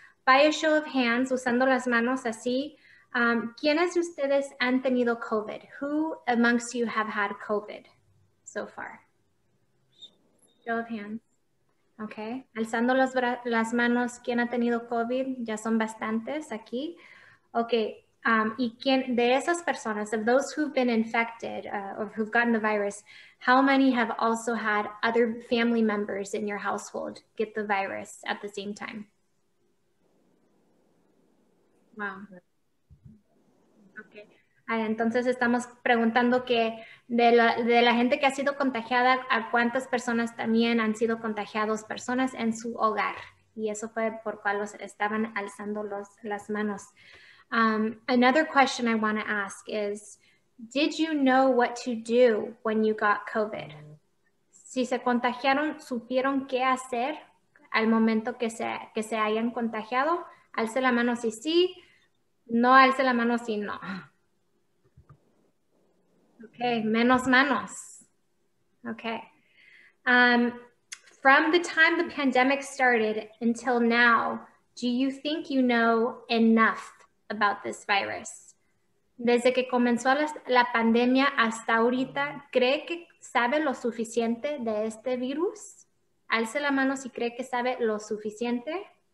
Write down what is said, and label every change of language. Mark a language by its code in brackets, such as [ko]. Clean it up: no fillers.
[en] By a show of hands, [es] usando las manos así, ¿quiénes de ustedes han tenido COVID? [en] Who amongst you have had COVID so far? Show of hands. Okay. [es] Alzando las manos, ¿quién ha tenido COVID? Ya son bastantes aquí. Okay. Y quién de esas personas, [en] of those who've been infected or who've gotten the virus, how many have also had other family members in your household get the virus at the same time? Wow. Okay. [es] Entonces estamos preguntando que de la gente que ha sido contagiada, ¿a cuántas personas también han sido contagiados personas en su hogar? Y eso fue por cual los estaban alzando las manos. [en] Another question I want to ask is, did you know what to do when you got COVID? [es] Si se contagiaron, ¿supieron qué hacer al momento que se hayan contagiado? Alce la mano si sí, no alce la mano si no. Okay, menos manos. Okay. [en] From the time the pandemic started until now, Do you think you know enough about this virus? [es] Desde que comenzó la pandemia hasta ahorita, ¿cree que sabe lo suficiente de este virus? Alce la mano si cree que sabe lo suficiente.